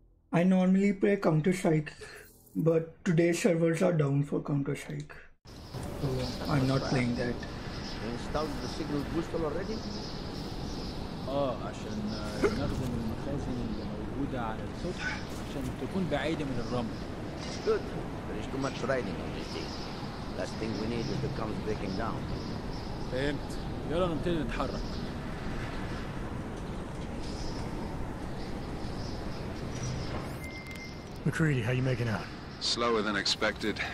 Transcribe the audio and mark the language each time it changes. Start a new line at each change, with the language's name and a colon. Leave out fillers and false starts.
English: I normally play Counter Strike, but today servers are down for Counter Strike. So I'm not playing that. Installed the signal booster already?
Arabic: عشان نخزن المخازن اللي موجودة على السطح عشان تكون بعيدة من الرمل.
English: Good. There is too much riding on this thing. Last thing we need is the comms breaking down.
Arabic: فهمت. يلا نبتدي نتحرك.
English: McCready, how you making out? Slower than expected.